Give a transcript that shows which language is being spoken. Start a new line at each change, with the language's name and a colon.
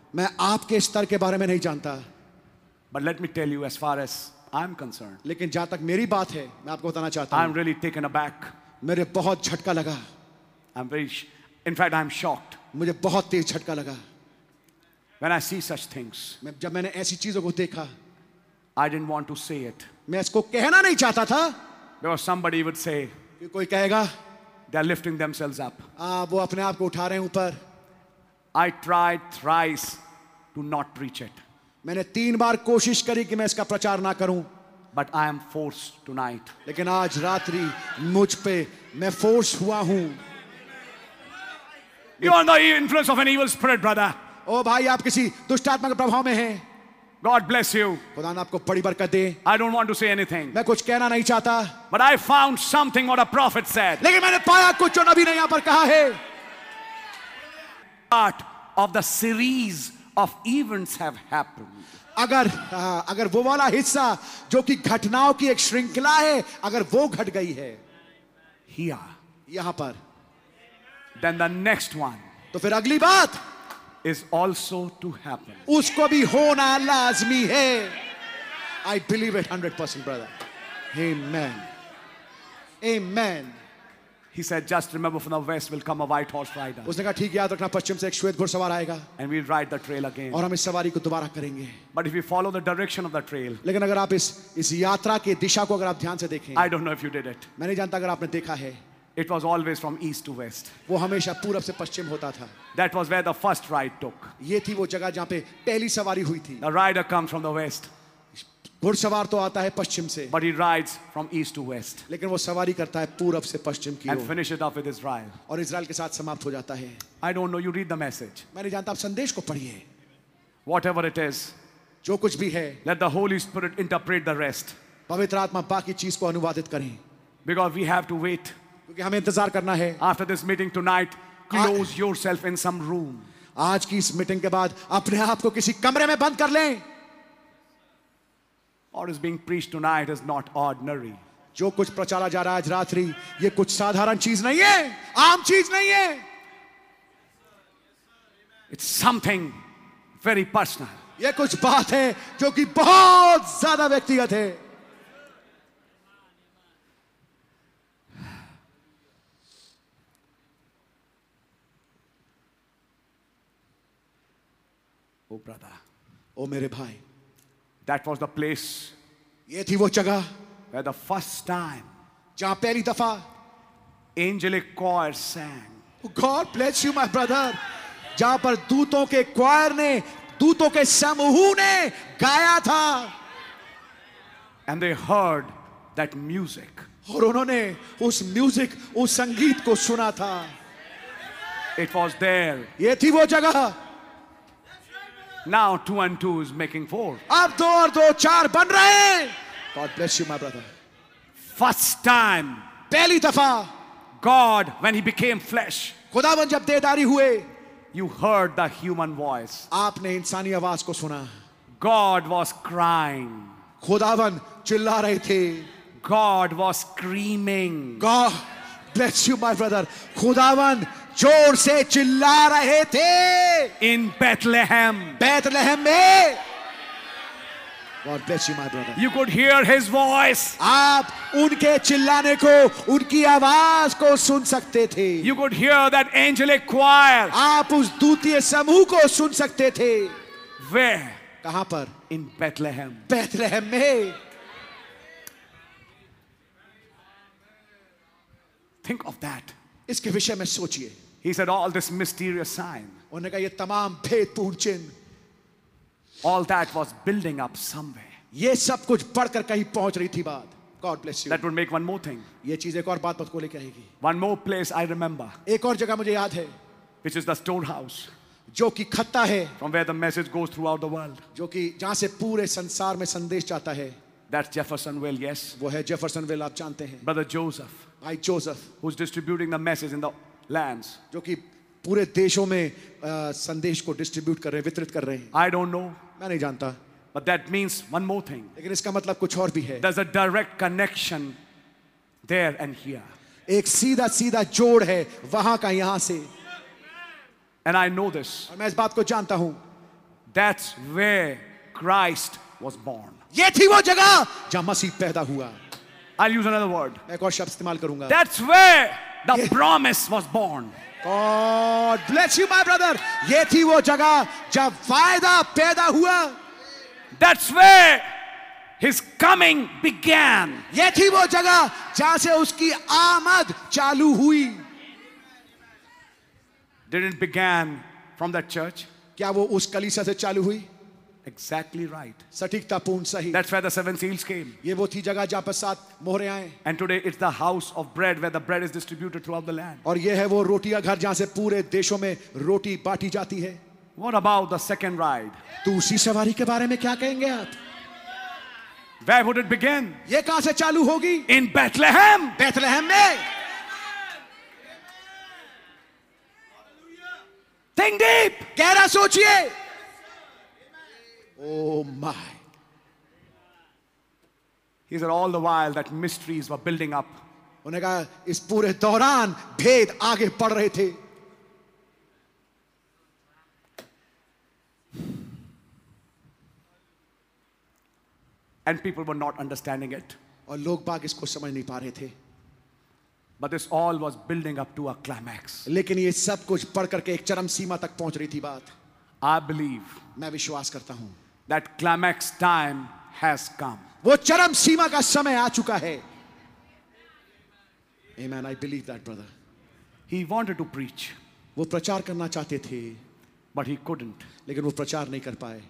Hindi: मैं आपके स्तर के बारे में नहीं जानता.
English: But let me tell you, as far as I'm concerned.
Hindi: लेकिन जहां तक मेरी बात है, मैं आपको बताना चाहता हूँ.
English: I'm really taken aback.
Hindi: मेरे बहुत झटका लगा.
English: I'm very, in fact, I'm shocked.
Hindi: मुझे बहुत तेज झटका लगा.
English: When I see such things.
Hindi: जब मैंने ऐसी चीजों को देखा.
English: I didn't want to say it.
Hindi: मैं इसको कहना नहीं चाहता था.
English: Because somebody would say.
Hindi: कोई कहेगा.
English: They are lifting themselves up.
Hindi: वो अपने आप को उठा रहे हैं ऊपर.
English: I tried thrice to not preach it.
Hindi: मैंने तीन बार कोशिश करी कि मैं इसका प्रचार ना करूं.
English: But I am forced tonight.
Hindi: लेकिन आज रात्रि मुझ पे मैं फोर्स हुआ हूं.
English: You are the influence of an evil spirit, brother.
Hindi: ओ भाई, आप किसी दुष्टात्मा के प्रभाव में हैं.
English: God bless you.
Hindi: खुदा ने आपको बड़ी बरकत दे.
English: I don't want to say anything.
Hindi: मैं कुछ कहना नहीं चाहता.
English: But I found something what a prophet said.
Hindi: लेकिन मैंने पाया कुछ जो नबी ने यहाँ पर कहा है.
English: Part of the series of events have happened.
Hindi: अगर वो वाला हिस्सा जो कि घटनाओं की एक श्रृंखला है, अगर वो घट गई है.
English: Here.
Hindi: यहाँ पर.
English: Then the next one.
Hindi: तो फिर अगली बात.
English: Is also to happen.
Hindi: उसको भी होना लाजमी है.
English: I believe it 100%, brother. Amen. Amen. He said, just remember, from the west will come a white horse rider.
Hindi: उसने कहा, ठीक याद रखना, पश्चिम से एक श्वेत घुड़सवार आएगा.
English: And we'll ride the trail again.
Hindi: और हम इस सवारी को दोबारा करेंगे.
English: But if you follow the direction of the trail.
Hindi: लेकिन अगर आप इस यात्रा के दिशा को अगर आप ध्यान से देखें.
English: I don't know if you did it.
Hindi: मैं नहीं जानता अगर आपने देखा है.
English: It was always from east to west.
Hindi: वो हमेशा पूरब से पश्चिम होता था.
English: That was where the first ride took.
Hindi: ये थी वो जगह जहाँ पे पहली सवारी हुई थी.
English: The rider comes from the west.
Hindi: घुड़सवार तो आता है पश्चिम से.
English: But he rides from east to west.
Hindi: लेकिन वो सवारी करता है पूरब से पश्चिम की ओर.
English: And finishes off with Israel.
Hindi: और इज़राइल के साथ समाप्त हो जाता है.
English: I don't know. You read the message.
Hindi: मैं नहीं जानता, आप संदेश को पढ़िए.
English: Whatever it is.
Hindi: जो कुछ भी है.
English: Let the Holy Spirit interpret the rest.
Hindi: पवित्र आत्मा बाकी चीज को अनुवादित करें.
English: Because we have to wait.
Hindi: क्योंकि हमें इंतजार करना है.
English: After this meeting tonight, close yourself in some room.
Hindi: आज की इस मीटिंग के बाद अपने आप को किसी कमरे में बंद कर लें.
English: What is being preached tonight is not ordinary.
Hindi: जो कुछ प्रचारा जा रहा है आज रात्रि, ये कुछ साधारण चीज नहीं है, आम चीज नहीं है.
English: It's something very personal.
Hindi: ये कुछ बात है जो कि बहुत ज्यादा व्यक्तिगत है.
English: Oh brother,
Hindi: oh मेरे भाई,
English: that was the place.
Hindi: ये थी वो जगह.
English: Where the first time.
Hindi: जहाँ पहली दफा.
English: Angelic choir sang. God bless you, my brother.
Hindi: जहाँ पर दूतों के choir ने, दूतों के समूह ने गाया था.
English: And they heard that music.
Hindi: और उन्होंने उस music, उस संगीत को सुना था.
English: It was there.
Hindi: ये थी वो जगह.
English: Now two and two is making four.
Hindi: अब दो और दो चार बन रहे हैं.
English: God bless you, my brother. First time.
Hindi: पहली दफा.
English: God, when He became flesh.
Hindi: खुदावन जब देहधारी हुए.
English: You heard the human voice.
Hindi: आपने इंसानी आवाज को सुना.
English: God was crying.
Hindi: खुदावन चिल्ला रहे थे.
English: God was screaming. God bless you, my brother.
Hindi: खुदावन जोर से चिल्ला रहे थे.
English: In Bethlehem.
Hindi: Bethlehem में.
English: God bless you, my brother. You could hear his voice.
Hindi: आप उनके चिल्लाने को, उनकी आवाज को सुन सकते थे.
English: You could hear that angelic choir.
Hindi: आप उस दूतीय समूह को सुन सकते थे.
English: Where?
Hindi: कहां पर?
English: In Bethlehem.
Hindi: Bethlehem में.
English: Think of that.
Hindi: इसके विषय में सोचिए.
English: He said all this mysterious sign.
Hindi: उन्होंने कहा ये तमाम भेदपूर्ण चिन्ह.
English: All that was building up somewhere.
Hindi: ये सब कुछ बढ़कर कहीं पहुंच रही थी बात.
English: God bless you. That would make one more thing.
Hindi: ये चीज एक और बात को लेकर आएगी.
English: One more place I remember.
Hindi: एक और जगह मुझे याद है.
English: which is the storehouse.
Hindi: जो कि खत्ता है.
English: From where the message goes throughout the world.
Hindi: जो कि जहाँ से पूरे संसार में संदेश जाता है.
English: That's Jeffersonville, yes.
Hindi: वो है Jeffersonville, आप जानते हैं.
English: Brother Joseph.
Hindi: भाई Joseph.
English: Who's distributing the message in the lands.
Hindi: जो कि पूरे देशों में संदेश को डिस्ट्रीब्यूट कर रहे हैं, वितरित कर रहे हैं.
English: I don't know.
Hindi: मैं नहीं जानता.
English: But that means one more thing.
Hindi: लेकिन इसका मतलब कुछ और भी है.
English: There's a direct connection there and here.
Hindi: एक सीधा सीधा जोड़ है वहां का यहां से.
English: And I know this.
Hindi: और मैं इस बात को जानता हूं.
English: That's where Christ was born.
Hindi: ये थी वो जगह जहां मसीह पैदा हुआ.
English: I'll use another word.
Hindi: मैं एक और शब्द इस्तेमाल करूंगा.
English: That's where the promise was born. God bless you, my brother.
Hindi: ये थी वो जगह जहां वायदा पैदा हुआ.
English: That's where his coming began.
Hindi: ये थी वो जगह जहां से उसकी आमद चालू हुई.
English: Didn't began from that church?
Hindi: क्या वो उस कलीसिया से चालू हुई?
English: Exactly right.
Hindi: सटीकता पूर्ण सही.
English: That's where the seven seals came.
Hindi: ये वो थी जगह जहां पर सात मोहरें आए.
English: And today it's the house of bread where the bread is distributed throughout the land.
Hindi: और ये है वो रोटी का घर जहां से पूरे देशों में रोटी बांटी जाती है.
English: What about the second ride?
Hindi: दूसरी सवारी के बारे में क्या कहेंगे आप?
English: Where would it begin?
Hindi: ये कहां से चालू होगी?
English: In Bethlehem.
Hindi: बेथलेहम में.
English: Think deep.
Hindi: गहरा सोचिए.
English: Oh my. He said all the while that mysteries were building up.
Hindi: उन्होंने कहा इस पूरे दौरान भेद आगे बढ़ रहे थे.
English: And people were not understanding it.
Hindi: और लोग बाग इसको समझ नहीं पा रहे थे.
English: But this all was building up to a climax.
Hindi: लेकिन ये सब कुछ पढ़ करके एक चरम सीमा तक पहुंच रही थी बात.
English: I believe.
Hindi: मैं विश्वास करता हूं.
English: That climax time has come.
Hindi: वो चरम सीमा का समय आ चुका है.
English: Amen. I believe that, brother. He wanted to preach.
Hindi: वो प्रचार करना चाहते थे.
English: But he couldn't.
Hindi: लेकिन वो प्रचार नहीं कर पाए.